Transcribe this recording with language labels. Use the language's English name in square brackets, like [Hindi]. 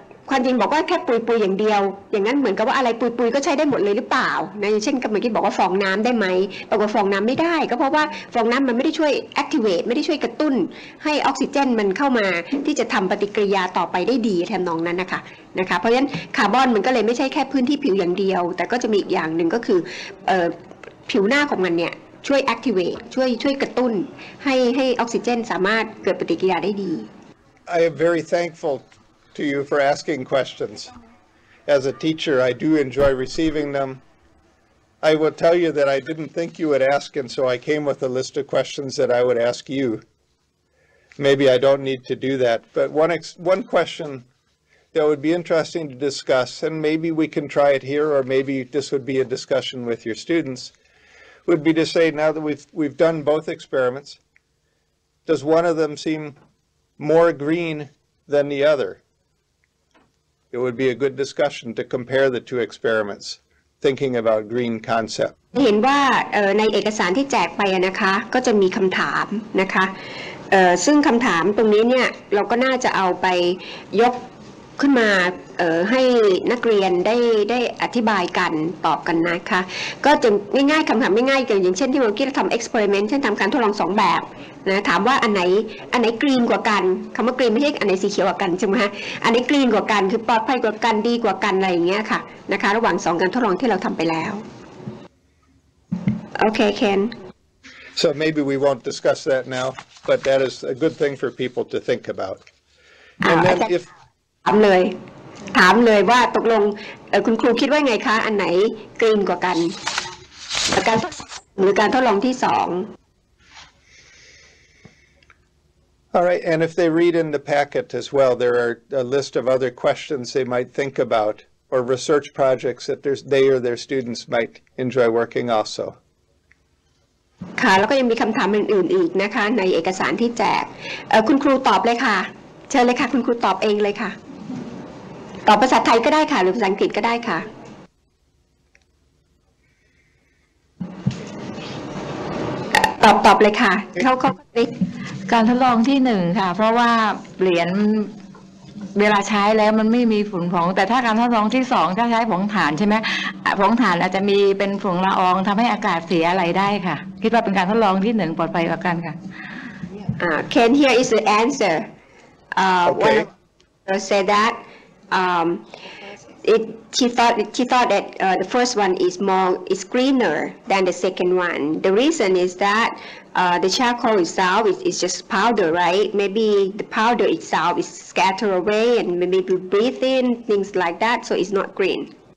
[Thai] ความจริงบอกว่าแค่ปุยๆอย่างเดียวอย่างนั้นเหมือนกับว่าอะไรปุยๆก็ใช้ได้หมดเลยหรือเปล่านะเช่นกับเมื่อกี้บอกว่าฟองน้ำได้ไหมปรากฏฟองน้ำไม่ได้ก็เพราะว่าฟองน้ำมันไม่ได้ช่วย activate ไม่ได้ช่วยกระตุ้นให้ออกซิเจนมันเข้ามาที่จะทำปฏิกิริยาต่อไปได้ดีแทนนองนั้นนะคะนะคะเพราะฉะนั้นคาร์บอนมันก็เลยไม่ใช่แค่พื้นที่ผิวอย่างเดียวแต่ก็จะมีอีกอย่างนึงก็คือผิวหน้าของมันเนี่ยช่วย activate ช่วยกระตุ้นให้ออกซิเจนสามารถเกิดปฏิกิริยาได้ดี [English] I am very thankful to you for asking questions. As a teacher, I do enjoy receiving them. I will tell you that I didn't think you would ask, and so I came with a list of questions that I would ask you. Maybe I don't need to do that, but one question that would be interesting to discuss, and maybe we can try it here, or maybe this would be a discussion with your students. would be to say, now that we've done both experiments, does one of them seem more green than the other? It would be a good discussion to compare the two experiments, thinking about green concept. [Thai] เห็นว่าในเอกสารที่แจกไปนะคะก็จะมีคำถามนะคะซึ่งคำถามตรงนี้เนี่ยเราก็น่าจะเอาไปยกขึ้นมาให้นักเรียนได้อธิบายกันตอบกันนะคะก็จะง่ายๆคำถามง่ายๆอย่างเช่นที่เมื่อกี้เราทำเอ็กซ์เพอริเมนต์เช่นทำการทดลองสองแบบนะถามว่าอันไ หนกรีนกว่ากันคำว่ากรีนไม่ใช่อันไหนสีเขียวกว่ากันใช่ไหมฮะอันไหนกรีนกว่ากันคือปลอดภัยกว่ากันดีกว่ากันอะไรอย่างเงี้ยค่ะนะคะระหว่างสองการทดลองที่เราทำไปแล้วโอเคเคน [English] so maybe we won't discuss that now but that is a good thing for people to think about and then if [Thai] ถามเลยว่าตกลงคุณครูคิดว่าไงคะอันไหนกรีนกว่ากันการหรือการทดลองที่สอง [English] All right, and if they read in the packet as well, there are a list of other questions they might think about or research projects that they or their students might enjoy working also. [Thai] ค่ะแล้วก็ยังมีคำถามอื่นๆอีกนะคะในเอกสารที่แจกคุณครูตอบเลยค่ะเชิญเลยค่ะคุณครูตอบเองเลยค่ะตอบภาษาไทยก็ได้ค่ะหรือภาษาอังกฤษก็ได้ค่ะตอบเลยค่ะเขา การทดลองที่หนึ่งค่ะเพราะว่าเหรียญเวลาใช้แล้วมันไม่มีฝุ่นผงแต่ถ้าการทดลองที่สองถ้าใช้ผงถ่านใช่ไหมผงถ่านอาจจะมีเป็นฝุ่นละอองทำให้อากาศเสียอะไรได้ค่ะคิดว่าเป็นการทดลองที่หนึ่งปลอดภัยกว่ากันค่ะ [English] Can here is the answer okay. One said thatShe thought that the first one is greener than the second one. The reason is that the charcoal itself is just powder, right? Maybe the powder itself is scattered away and maybe we breathe in, things like that, so it's not green.